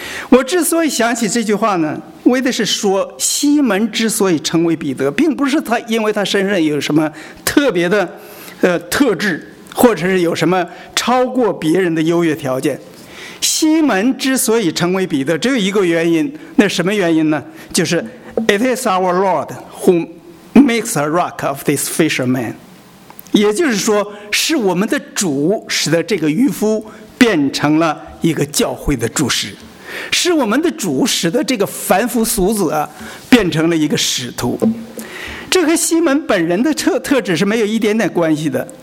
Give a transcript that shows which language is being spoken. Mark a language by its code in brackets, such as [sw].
[zh] 我之所以想起这句话呢，为的是说西门之所以成为彼得，并不是他因为他身上有什么特别的特质，或者是有什么超过别人的优越条件。西门之所以成为彼得，只有一个原因，那什么原因呢？就是 [en] It is our Lord who makes a rock of this fisherman。 [zh] 也就是说，是我们的主使得这个渔夫变成了一个教会的柱石，是我们的主使得这个凡夫俗子变成了一个使徒。这和西门本人的特质是没有一点点关系的。